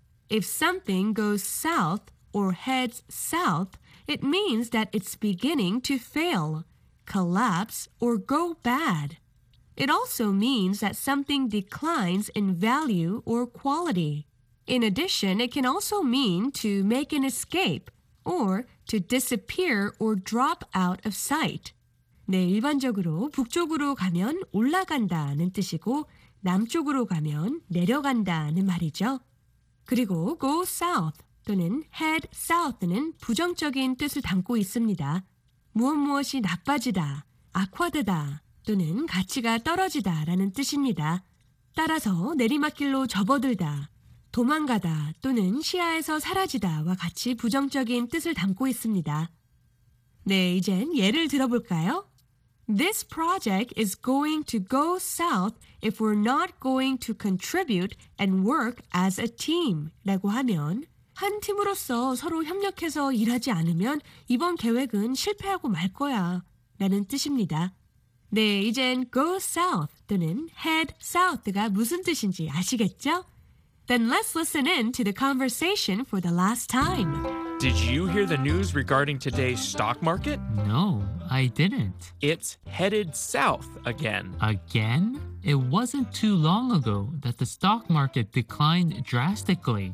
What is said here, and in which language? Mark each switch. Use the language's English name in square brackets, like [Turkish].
[English] If something goes south or heads south, it means that it's beginning to fail, collapse, or go bad. It also means that something declines in value or quality. In addition, it can also mean to make an escape, or to disappear or drop out of sight. [Korean] 네, 일반적으로 북쪽으로 가면 올라간다는 뜻이고 남쪽으로 가면 내려간다는 말이죠. 그리고 go south 또는 head south는 부정적인 뜻을 담고 있습니다. 무엇무엇이 나빠지다, 악화되다 또는 가치가 떨어지다 라는 뜻입니다. 따라서 내리막길로 접어들다, 도망가다 또는 시야에서 사라지다와 같이 부정적인 뜻을 담고 있습니다. 네, 이젠 예를 들어볼까요? [English] This project is going to go south if we're not going to contribute and work as a team. [Korean] 라고 하면 한 팀으로서 서로 협력해서 일하지 않으면 이번 계획은 실패하고 말 거야 라는 뜻입니다. 네, 이젠 go south 또는 head south가 무슨 뜻인지 아시겠죠? [English] Then let's listen in to the conversation for the last time. Did you hear the news regarding today's stock market? No, I didn't. It's headed south again. Again? It wasn't too long ago that the stock market declined drastically.